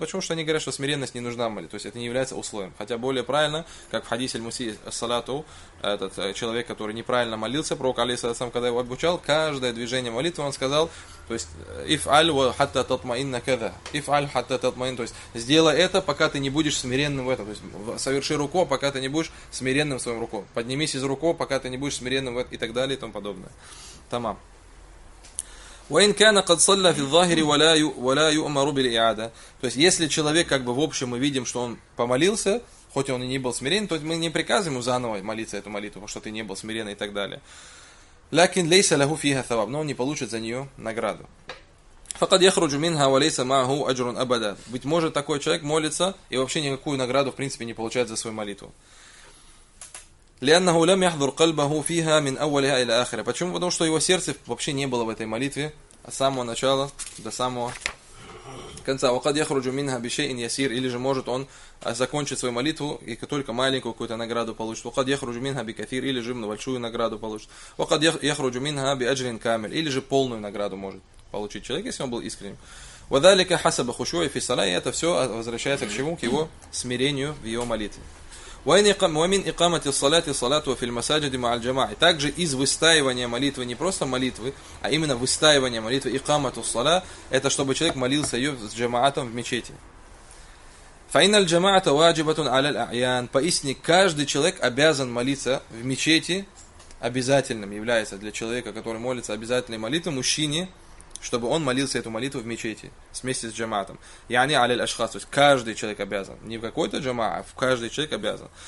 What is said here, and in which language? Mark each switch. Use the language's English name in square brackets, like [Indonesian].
[Russian] Почему? Что они говорят, что смиренность не нужна молитве. То есть это не является условием. Хотя более правильно, как в хадисе аль-Муси ас-Салату, этот человек, который неправильно молился, пророк алейхи салям, когда его обучал, каждое движение молитвы он сказал, то есть [Arabic] if al wa hatta tatma'inna kada, if al hatta tatma'in, [Russian] то есть сделай это, пока ты не будешь смиренным в этом. То есть соверши руку, пока ты не будешь смиренным в своем руку. Поднимись из руку, пока ты не будешь смиренным в этом, и так далее и тому подобное. Тамам. [Arabic] وإن كان قد صلى في الظاهر ولا يؤمر بالإعادة. [Russian] То есть если человек как бы в общем мы видим, что он помолился, хоть он и не был смирен, то мы не приказываем ему заново молиться эту молитву, потому что ты не был смирен и так далее. [Arabic] لكن ليس له فيها ثواب. [Russian] Но он не получит за нее награду. [Arabic] فقد يخرج منها وليس معه أجر أبدا. [Russian] Быть может такой человек молится и вообще никакую награду в принципе не получает за свою молитву. [Arabic] لأنه لم يحضر قلبه فيها من أولها إلى آخرها. [Russian] Почему? Потому что его сердце вообще не было в этой молитве с самого начала до самого конца. [Arabic] وقد يخرج منها بشيء يسير. [Russian] Или же может он закончить свою молитву и только маленькую какую-то награду получит. [Arabic] وقد يخرج منها بكثير. [Russian] Или же большую награду получит. [Arabic] وقد يخرج منها بأجر كامل. [Russian] Или же полную награду может получить человек, если он был искренним. [Arabic] وذلك حسب خشوع في الصلاة. [Russian] И это все возвращается к чему? К его смирению в его молитве. [Arabic] ومن إقامة الصلاة الصلاة في المساجد مع الجماعة. [Russian] Также из выстаивания молитвы, не просто молитвы, а именно выстаивания молитвы, إقامة الصلاة, это чтобы человек молился ее с джамаатом в мечети. [Arabic] فإن الجماعة واجبة على الأعيان. [Russian] Поистине, каждый человек обязан молиться в мечети, обязательным является для человека, который молится обязательной молитвой, мужчине, чтобы он молился эту молитву в мечети вместе с джаматом. [Arabic] Яни алил ашхас, [Russian] то есть каждый человек обязан. Не в какой-то джамаа, а в каждый человек обязан.